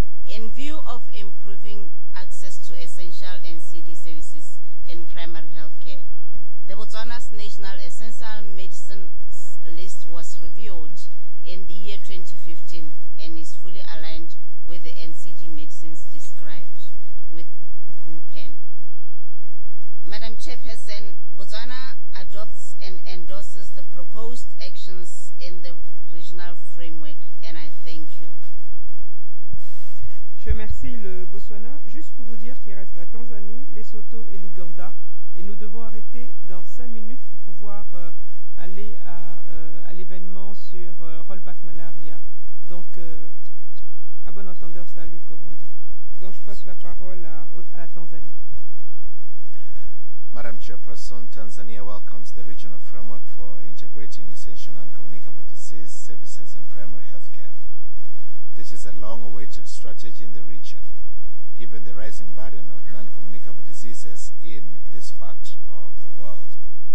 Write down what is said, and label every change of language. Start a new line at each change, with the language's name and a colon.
English: In view of improving access to essential NCD services in primary health care, the Botswana's National Essential Medicines List was reviewed in the year 2015 and is fully aligned with the NCD medicines described with WHO-PEN. Madam Chairperson, Botswana adopts and endorses the proposed actions in the regional framework, and I thank you.
French: Je remercie le Botswana. Juste pour vous dire qu'il reste la Tanzanie, Lesotho et l'Ouganda. Et nous devons arrêter dans 5 minutes pour pouvoir aller à l'événement sur Rollback Malaria. Donc, à bon entendeur, salut, comme on dit. Donc, je passe la parole à la Tanzanie.
English: Madam Chairperson, Tanzania welcomes the regional framework for integrating essential and communicable disease services in primary healthcare. This is a long-awaited strategy in the region, given the rising burden of non-communicable diseases in this part of the world.